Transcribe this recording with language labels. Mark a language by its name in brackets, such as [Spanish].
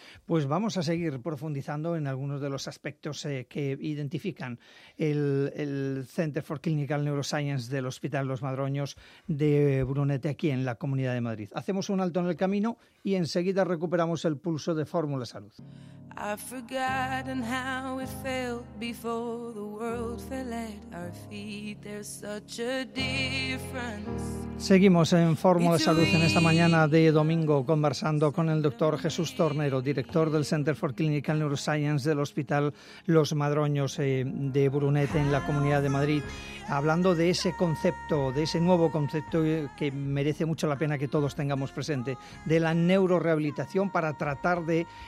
[Spanish] Pues vamos a seguir profundizando en algunos de los aspectos que identifican el Center for Clinical Neuroscience del Hospital Los Madroños de Brunete aquí en la Comunidad de Madrid. Hacemos un alto en el camino y enseguida recuperamos el pulso de Fórmula Salud. [English] I've forgotten how it felt before the world fell at our feet. There's such a difference. [Spanish] Seguimos en Fórmula Salud en esta mañana de domingo conversando con el doctor Jesús Tornero, director del Center for Clinical Neuroscience del Hospital Los Madroños de Brunete en la Comunidad de Madrid, hablando de ese concepto, de ese nuevo concepto que merece mucho la pena que todos tengamos presente, de la neurorehabilitación para tratar de